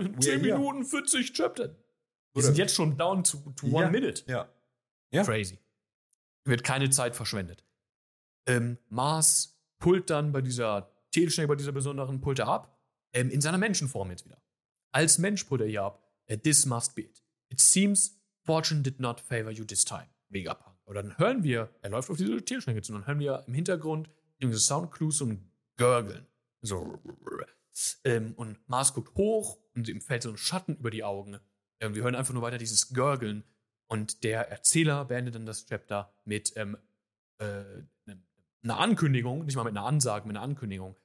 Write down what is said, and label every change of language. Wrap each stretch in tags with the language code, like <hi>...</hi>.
<de>10 Minuten, 40 Chapter. Bruder. Wir sind jetzt schon down to one minute. Ja. Crazy. Wird keine Zeit verschwendet. Mars pullt dann bei dieser Teleschnecke, bei dieser besonderen, pullt er ab. In seiner Menschenform jetzt wieder. Als Mensch pullt er hier ab. This must be it.</de> <en>It seems fortune did not favor you this time. Vegapunk.</en> <de>Und dann hören wir, er läuft auf diese Teleschnecke zu, und dann hören wir im Hintergrund diese Soundclues und Gurgeln. So. Und Mars guckt hoch und ihm fällt so ein Schatten über die Augen. Und wir hören einfach nur weiter dieses Gurgeln. Und der Erzähler beendet dann das Chapter mit einer Ankündigung, nicht mal mit einer Ansage, mit einer Ankündigung.</de>